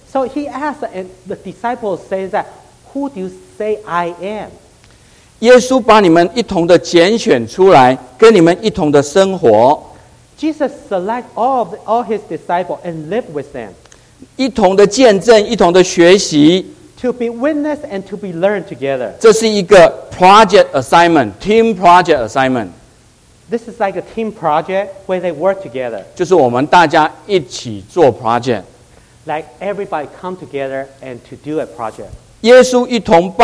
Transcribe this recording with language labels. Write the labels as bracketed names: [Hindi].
[English] So he asked, and the disciples say that, "Who do you say I am?" [Chinese] 耶稣把你们一同的拣选出来，跟你们一同的生活。 [English] Jesus select all his disciples and live with them. [Chinese] 一同的见证，一同的学习。 [English] To be witness and to be learned together. 这是一个 project assignment, team project assignment. This is like a team project where they work together. [Chinese] 就是我们大家一起做 project. [English] Like everybody come together and to do a project.